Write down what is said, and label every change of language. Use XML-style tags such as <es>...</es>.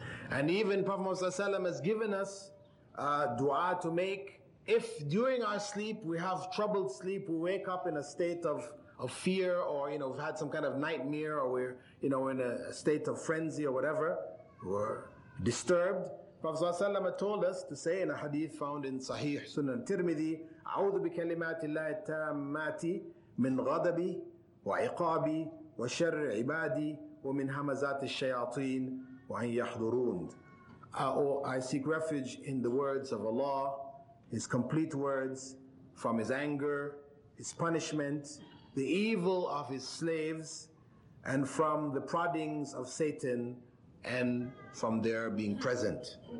<en>And even Prophet Muhammad has given us dua to make if during our sleep we have troubled sleep, we wake up in a state of fear, or you know, we've had some kind of nightmare, or we're you know in a state of frenzy or whatever, we're disturbed. Prophet ﷺ told us to say in a hadith found in Sahih Sunan Tirmidhi,</en> <ar>أعوذ بكلمات الله التامات من غضبي وعقابي وشر عبادي ومن همزات الشياطين وأن يحضرون.</ar> <en>I seek refuge in the words of Allah, His complete words, from His anger, His punishment, the evil of His slaves, and from the proddings of Satan, and from their being present.</en>